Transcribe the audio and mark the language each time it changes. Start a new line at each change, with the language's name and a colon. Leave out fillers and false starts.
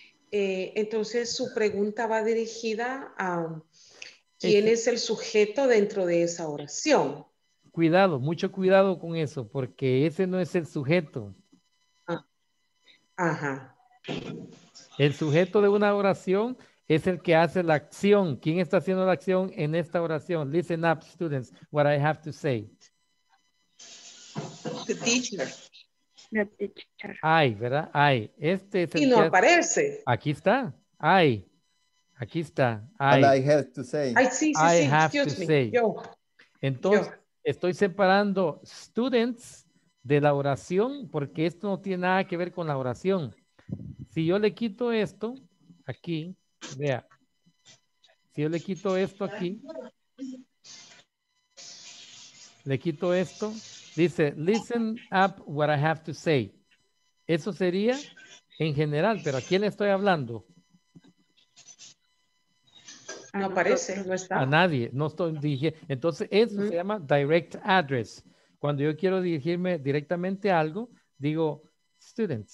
Spanish: Entonces, su pregunta va dirigida a quién es el sujeto dentro de esa oración. Cuidado, mucho cuidado con eso, porque ese no es el sujeto. Ah. Ajá. El sujeto de una oración es el que hace la acción. ¿Quién está haciendo la acción en esta oración?
English: Listen up, students, what I have to say. The teacher.
Spanish: Ay, ¿verdad? Ay, este es el. Y no que aparece. Aquí está. Ay. Aquí está. Ay.
English: And I have to say. I have to say. Yo.
Spanish: Entonces, estoy separando students de la oración porque esto no tiene nada que ver con la oración. Si yo le quito esto aquí, vea. Si yo le quito esto aquí. Le quito esto.
English: Dice, listen up what I have to say.
Spanish: Eso sería en general, pero ¿a quién le estoy hablando? No aparece, no está. A nadie, no estoy dirigiendo. Entonces, eso se llama direct address. Cuando yo quiero dirigirme directamente a algo, digo, students.